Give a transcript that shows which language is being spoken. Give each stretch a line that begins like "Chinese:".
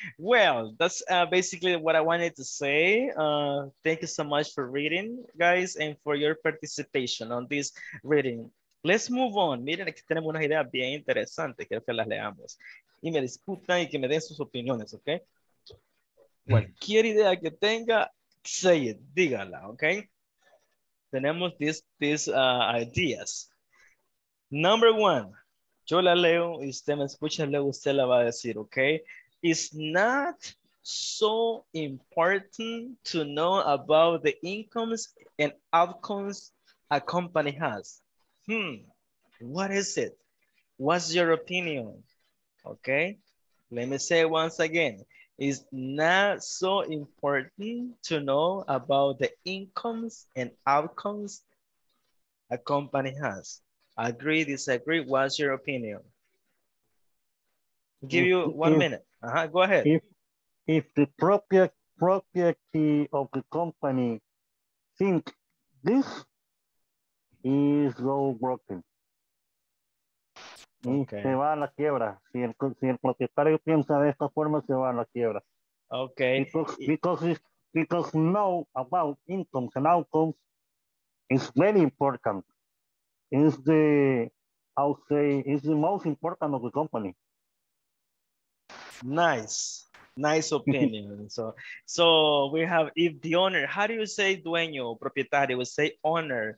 English: Well, that's basically what I wanted to say. Thank you so much for reading, guys, and for your participation on this reading. Let's move on.
Spanish: Miren, aquí tenemos unas ideas bien interesantes, quiero que las leamos. Y me discutan y que me den sus opiniones, okay? Cualquier idea que tenga,
English: say it,
Spanish: dígala, okay? Tenemos
English: these ideas. Number one.
Spanish: Yo la leo y usted me escucha, luego usted la va a decir, okay?
English: It's not so important to know about the incomes and outcomes a company has. What is it? What's your opinion? Okay? Let me say it once again. Is not so important to know about the incomes and outcomes a company has. Agree, disagree, what's your opinion? Give you one minute. Uh-huh. Go ahead. If the property of the company think this is low broken. Okay.
Spanish: Se va a la quiebra. Si el propietario piensa de esta forma, se va a la quiebra. Okay.
English: Because know about incomes and outcomes is very important. It's the most important of the company. Nice opinion. So we have, if the owner, how do you say
Spanish: dueño, propietario?
English: We say owner.